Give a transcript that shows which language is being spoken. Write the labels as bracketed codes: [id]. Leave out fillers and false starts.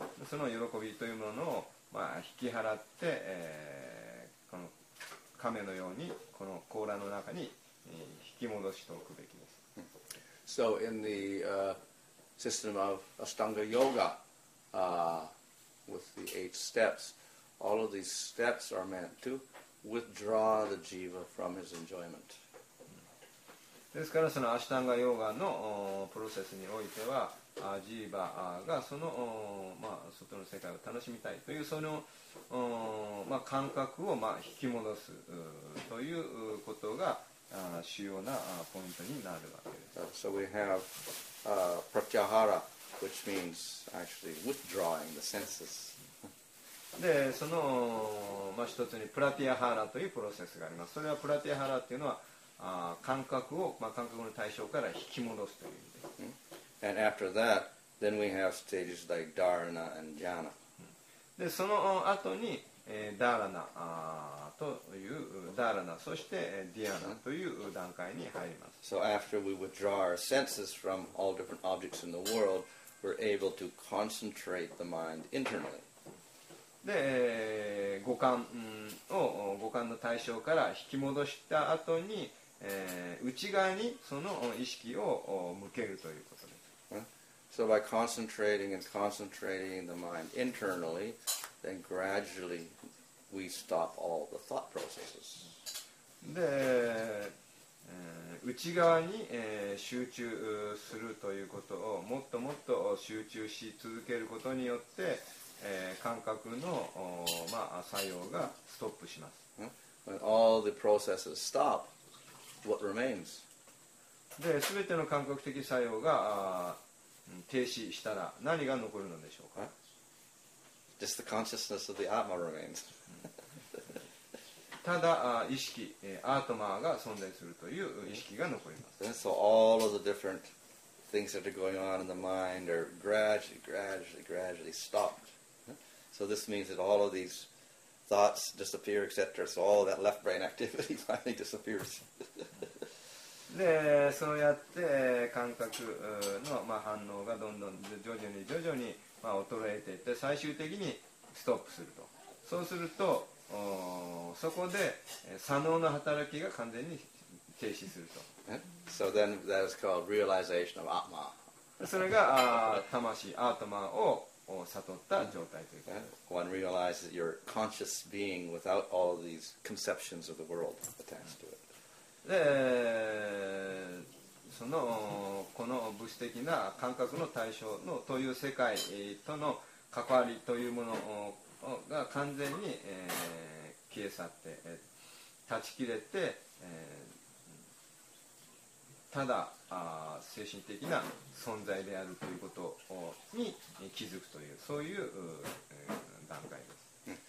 [ja] その喜びというものを、まあ、引き払って、この亀のようにこの甲羅の中に、引き戻しておくべきです。 [en] So in the system of Ashtanga Yoga, with the eight steps, all of these steps are meant to withdraw the jiva from his enjoyment. [ja] ですからそのアシタンガヨーガのプロセスにおいては。ジーバーがその、まあ、外の世界を楽しみたいというその、まあ、感覚を、まあ、引き戻すということが主要なポイントになるわけです。 [en] So we have pratyahara, which means actually withdrawing the senses. [ja] で、その、まあ、一つにプラティアハラというプロセスがあります。それはプラティアハラというのは感覚を、まあ、感覚の対象から引き戻すという意味です。 [en] And after that, then we have stages like dharana and jhana. [ja] で、その後に、ダーラナ、という、ダーラナ、そして、ディアナという段階に入ります。 [en] So after we withdraw our senses from all different objects in the world, we're able to concentrate the mind internally. [ja] で、五感を五感の対象から引き戻した後に、内側にその意識を向けるということ。 [en] So by concentrating and concentrating the mind internally, then gradually we stop all the thought processes. で、 [ja] 内側に集中するということをもっともっと集中し続けることによって感覚の、まあ、作用がストップします。 [en] When all the processes stop, what remains? [ja] で、全ての感覚的作用が停止したら何が残るのでしょうか？ [en] Just the consciousness of the Atma remains. [ja] ただ意識、アートマーが存在するという意識が残ります。 [en] And so all of the different things that are going on in the mind are gradually, gradually, gradually stopped. So this means that all of these thoughts disappear, etc. So all of that left brain activity finally disappears. [ja] で、そうやって感覚の、まあ、反応がどんどん徐々に徐々に、まあ、衰えていって最終的にストップすると。そうすると。そこで左脳の働きが完全に停止すると。 [en] So then that is called realization of Atma. [ja] それが魂、アートマを悟った状態というか。 [en] One realizes your conscious being without all these conceptions of the world attached to it. [ja] で、そのこの物質的な感覚の対象のという世界との関わりというものをが完全に、消え去って、断ち切れて、ただ精神的な存在であるということに気づくというそういう、段階です。